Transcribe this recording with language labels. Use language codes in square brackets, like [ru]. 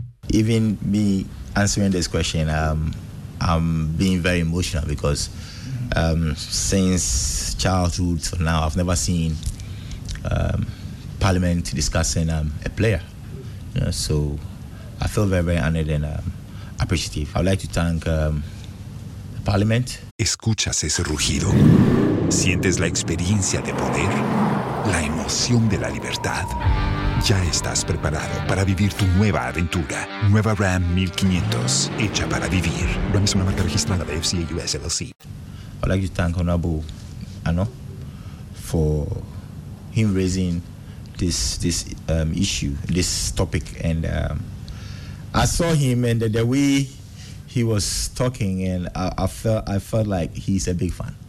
[en] Even me answering this question, I'm being very emotional because since childhood till now, I've never seen Parliament discussing a player. You know, so I feel very, very honored and appreciative. I'd like to thank Parliament. [es] Escuchas ese rugido. Sientes la experiencia de poder, la emoción de la libertad. Ya estás preparado para vivir tu nueva aventura. Nueva Ram 1500, hecha para vivir. Ram es una marca registrada de FCA US LLC. [en] I'd like to thank Honorable Ano for him raising this issue, this topic. And I saw him and the way he was talking, and I felt like he's a big fan.